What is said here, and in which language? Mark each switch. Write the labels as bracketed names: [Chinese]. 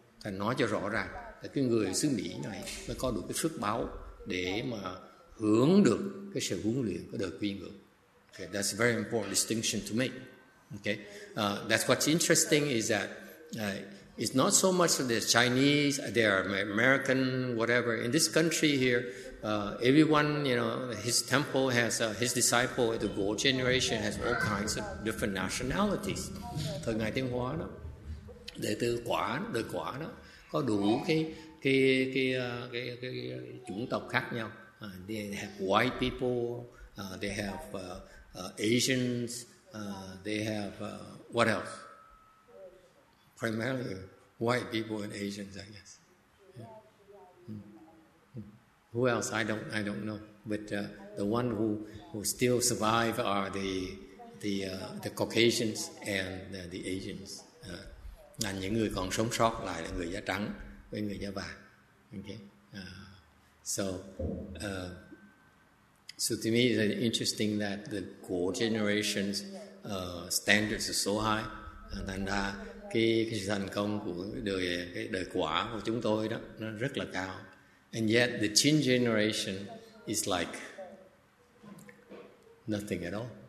[Vietnamese] Thầy nói cho rõ ràng là cái người xứ Mỹ này mới có được cái phước báo để mà hưởng được cái sự huấn luyện của đời quy ngưỡng. [English] Okay, that's a very important distinction to make. Okay, that's what's interesting is that. It's not so much that they're Chinese, they're American, whatever. In this country here, everyone, you know, his temple has, his disciple, the Guo generation, has all kinds of different nationalities. [Vietnamese] Thời ngài Tuyên Hóa đó, đời quả đó, có đủ cái chủng tộc khác nhau. [English] They have white people, they have Asians, they have, what else? Primarily white people and Asians, I guess. Who else? I don't know. But the one who still survive are the Caucasians and the Asians. [Vietnamese] Là những người còn sống sót lại là người da trắng với người da vàng. Okay. [English] So to me, it's interesting that the core generations' standards are so high. [Vietnamese] Thành ra cái sự thành công của đời quả của chúng tôi đó nó rất là cao. [English] And yet the Qin generation is like nothing at all.